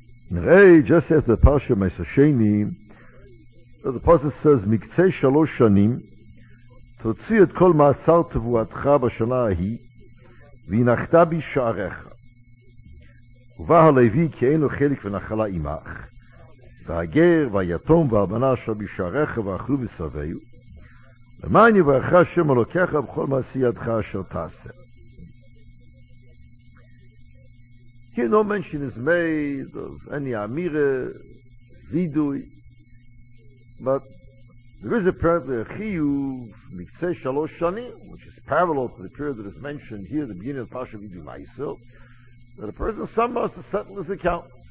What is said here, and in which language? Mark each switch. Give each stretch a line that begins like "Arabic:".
English: In Re'ei, just after the parsha Ma'aser Sheni, the parsha says,
Hebrew: Mikzei Shalosh Shanim, Totzi et kol ma'asar tevuatcha b'shana ahi, והנחתה בשעריך. ובא הלוי כי אין לו חלק ונחלה עמך, והגר והיתום והבנה אשר בשעריך ואכלו וסביו, למען יברכך השם אלוקיך בכל מעשי ידך אשר תעשה.
English: Here no mention is made of any amire, vidui, but there is apparently a chiyuv mikse shalosh shani, which is parallel to the period that is mentioned here, the beginning of Parsha Vidu Maisel, that a person somehow has to settle his account.